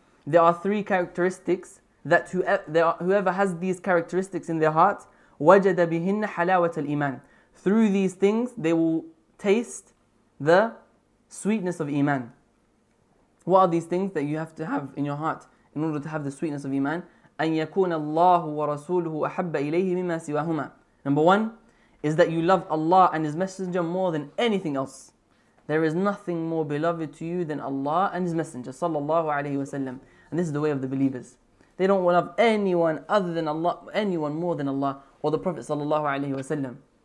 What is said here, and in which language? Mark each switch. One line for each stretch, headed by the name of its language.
English: There are three characteristics that whoever has these characteristics in their heart,
Arabic: وجد بهن حلاوة الإيمان.
English: Through these things they will taste the sweetness of iman. What are these things that you have to have in your heart in order to have the sweetness of iman?
Arabic: أن يكون الله ورسوله أحب إليه مما سواهما.
English: Number one is that you love Allah and His Messenger more than anything else. There is nothing more beloved to you than Allah and His Messenger, sallallahu alaihi wasallam. And this is the way of the believers. They don't love anyone other than Allah, anyone more than Allah or the Prophet sallallahu alaihi wasallam.